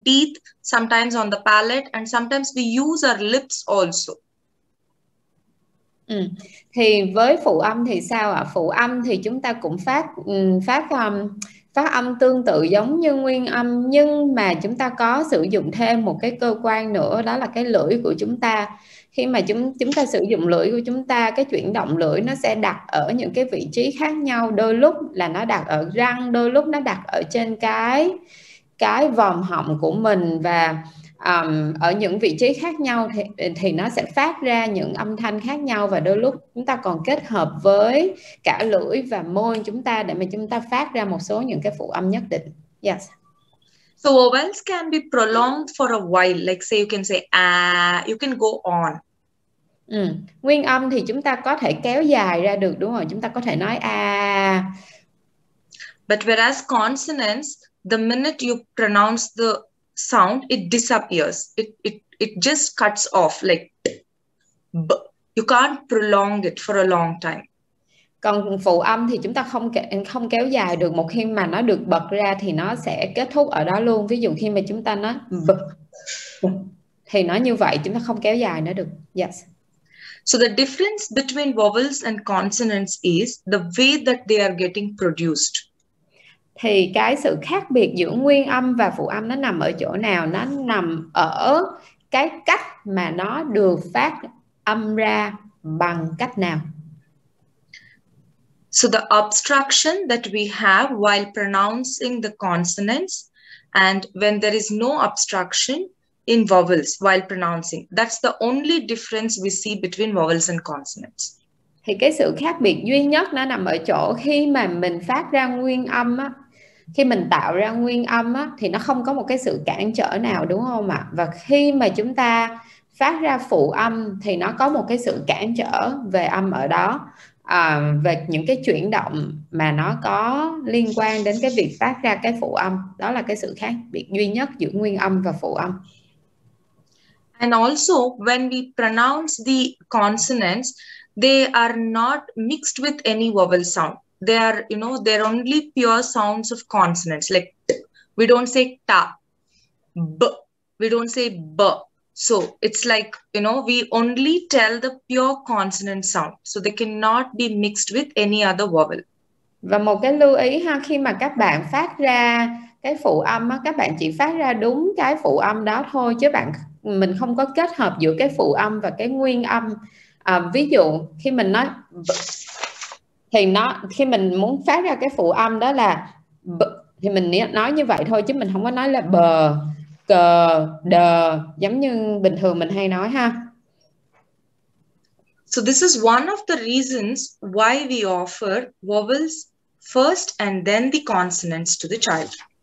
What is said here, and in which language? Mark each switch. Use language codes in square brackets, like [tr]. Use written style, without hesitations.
[en] teeth, sometimes on the palate, and sometimes we use our lips also. [vi] Ừ. Thì với phụ âm thì sao ạ? Phụ âm thì chúng ta cũng phát âm tương tự giống như nguyên âm, nhưng mà chúng ta có sử dụng thêm một cái cơ quan nữa, đó là cái lưỡi của chúng ta. Khi mà chúng ta sử dụng lưỡi của chúng ta, cái chuyển động lưỡi nó sẽ đặt ở những cái vị trí khác nhau, đôi lúc là nó đặt ở răng, đôi lúc nó đặt ở trên cái vòm họng của mình, và ở những vị trí khác nhau thì nó sẽ phát ra những âm thanh khác nhau, và đôi lúc chúng ta còn kết hợp với cả lưỡi và môi chúng ta để mà chúng ta phát ra một số những cái phụ âm nhất định. [en] Yes. So vowels can be prolonged for a while, like say you can say ah, you can go on. [vi] Ừ. Nguyên âm thì chúng ta có thể kéo dài ra được, đúng rồi, chúng ta có thể nói a. [en] But whereas consonants, the minute you pronounce the sound, it disappears. It just cuts off like b. You can't prolong it for a long time. [vi] Còn phụ âm thì chúng ta không kéo dài được, một khi mà nó được bật ra thì nó sẽ kết thúc ở đó luôn. Ví dụ khi mà chúng ta nói b thì nó như vậy, chúng ta không kéo dài nữa được. [en] Yes. So the difference between vowels and consonants is the way that they are getting produced. [vi] Thì cái sự khác biệt giữa nguyên âm và phụ âm nó nằm ở chỗ nào? Nó nằm ở cái cách mà nó được phát âm ra bằng cách nào. [en] So the obstruction that we have while pronouncing the consonants, and when there is no obstruction in vowels while pronouncing, that's the only difference we see between vowels and consonants. [vi] Thì cái sự khác biệt duy nhất nó nằm ở chỗ khi mà mình phát ra nguyên âm á, khi mình tạo ra nguyên âm á, thì nó không có một cái sự cản trở nào, đúng không ạ? Và khi mà chúng ta phát ra phụ âm thì nó có một cái sự cản trở về âm ở đó, về những cái chuyển động mà nó có liên quan đến cái việc phát ra cái phụ âm. Đó là cái sự khác biệt duy nhất giữa nguyên âm và phụ âm. [en] And also, when we pronounce the consonants, they are not mixed with any vowel sound. They are, you know, they're only pure sounds of consonants. Like t, we don't say ta, b, we don't say b. So it's like, you know, we only tell the pure consonant sound. So they cannot be mixed with any other vowel. [vi] Và một cái lưu ý ha, khi mà các bạn phát ra cái phụ âm á, các bạn chỉ phát ra đúng cái phụ âm đó thôi, chứ mình không có kết hợp giữa cái phụ âm và cái nguyên âm. Ví dụ khi mình nói thì nó khi mình muốn phát ra cái phụ âm đó là thì mình nói như vậy thôi, chứ mình không có nói là bờ cờ đờ giống như bình thường mình hay nói ha. [en] So this is one of the reasons why we offer vowels first and then the consonants to the child.